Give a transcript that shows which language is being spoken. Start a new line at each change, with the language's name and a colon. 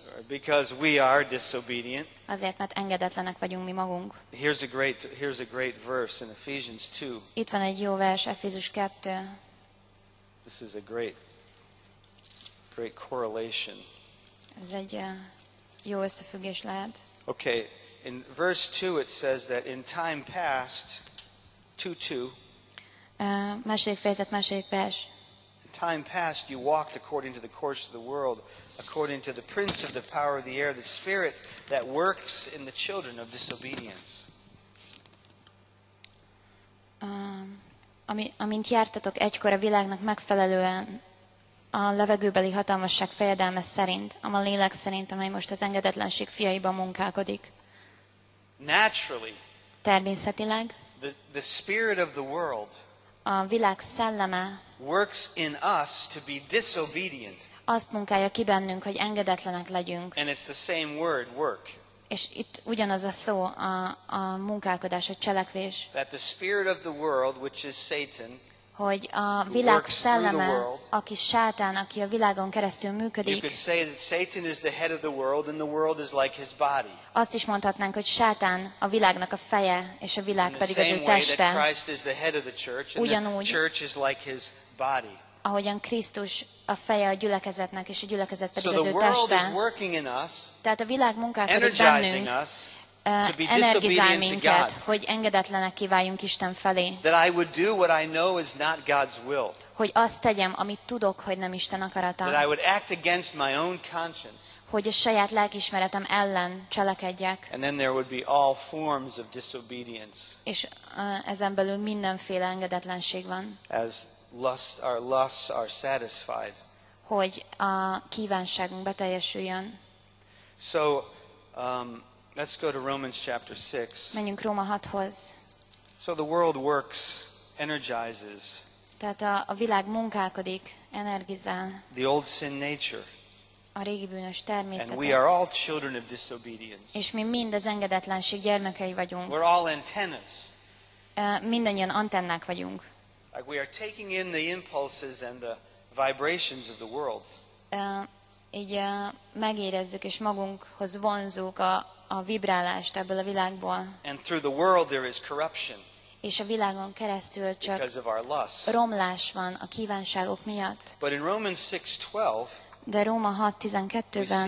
English: Because we are disobedient.
Hungarian: Azért, mert engedetlenek vagyunk mi magunk.
English: Here's a great verse in Ephesians 2.
Hungarian: Itt van egy jó vers, Efézus 2.
English: This is a great correlation.
Hungarian: Ez egy jó összefüggés lehet.
English: Okay, in verse 2 it says that in time past, 2:2.
Hungarian: Második fejezet, második vers.
English: In time past you walked according to the course of the world, according to the prince of the power of the air, the spirit that works in the children of disobedience.
Hungarian: Amint jártatok egykor a világnak megfelelően, a levegőbeli hatalmasság fejedelme szerint, ama lélek szerint, amely most az engedetlenség fiaiban munkálkodik.
English: Naturally,
Hungarian: természetileg,
English: the spirit of the world
Hungarian: a világ szelleme
English: works in us to be disobedient.
Hungarian: Azt munkálja ki bennünk, hogy engedetlenek legyünk.
English: And it's the same word, work.
Hungarian: És itt ugyanaz a szó, a munkálkodás, a cselekvés.
English: That the spirit of the world, which is Satan,
Hungarian: hogy a világ szelleme, aki Sátán, aki a világon keresztül működik.
English: You could say that Satan is the head of the world and the world is like his body.
Hungarian: Azt is mondhatnánk, hogy Sátán a világnak a feje, és a világ pedig az ő teste.
English: Christ is the head of the church and the church is like his body.
Hungarian: Ahogyan Krisztus a feje a gyülekezetnek, és a gyülekezet pedig
English: so
Hungarian: az ő teste.
English: Is working in us,
Hungarian: tehát a világ munkálkodik bennünk. Energizál minket, hogy engedetlenek kiváljunk Isten felé.
English: That I would do what I know is not God's will.
Hungarian: Hogy azt tegyem, amit tudok, hogy nem Isten akarata.
English: That I would act against my own conscience.
Hungarian: Hogy a saját lelkiismeretem ellen cselekedjek.
English: And then there would be all forms of disobedience.
Hungarian: És ezen belül mindenféle engedetlenség van.
English: As lust, our lusts are satisfied.
Hungarian: Hogy a kívánságunk beteljesüljön.
English: So, let's go to Romans chapter 6.
Hungarian: Menjünk Róma 6-hoz.
English: So the world works, energizes.
Hungarian: Tehát a világ munkálkodik, energizál.
English: The old sin nature.
Hungarian: A régi bűnös természet.
English: And we are all children of disobedience.
Hungarian: És mi mind az engedetlenség gyermekei vagyunk.
English: We're all antennas.
Hungarian: Mindannyian antennák vagyunk.
English: Like we are taking in the impulses and the vibrations of the world.
Hungarian: Így megérezzük és magunkhoz vonzunk a vibrálást ebből a világból.
English: And through the world there is corruption.
Hungarian: És a világon keresztül csak
English: because of our lusts.
Hungarian: Romlás van a kívánságok miatt.
English: But in Romans 6:12,
Hungarian: de Róma 6:12-ben